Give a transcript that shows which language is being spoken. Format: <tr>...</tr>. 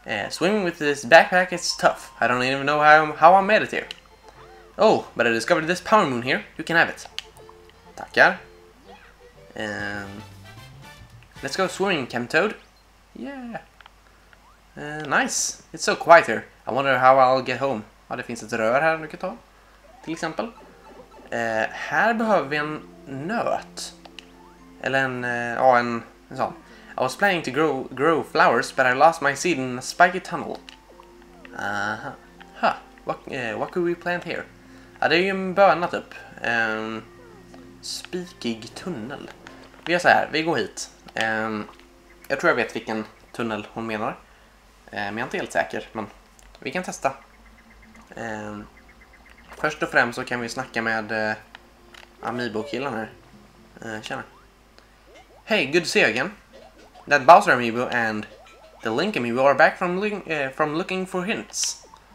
<en>Swimming with this backpack is tough. I don't even know how I made it here. Oh, but I discovered this power moon here. You can have it.</en> <sv>Tackar.</sv> <en>Let's go swimming, Chemtoad. Yeah. Nice, it's so quiet here. I wonder how I'll get home.</en> <sv>Ja, det finns ett rör här du kan ta, till exempel. Här behöver vi en nöt. Eller en sån.</sv> <en>I was planning to grow flowers, but I lost my seed in a spiky tunnel. Aha. What could we plant here?</en> <sv>Ja, det är ju en böna typ. Spikig tunnel. Vi gör så här, vi går hit. Jag tror jag vet vilken tunnel hon menar. Men jag är inte helt säker, men vi kan testa. Först och främst så kan vi snacka med Amiibo-killen här. Tjena.</sv> <en>Hey, good to see you again. That Bowser Amiibo and the Link Amiibo are back from looking for hints.</en>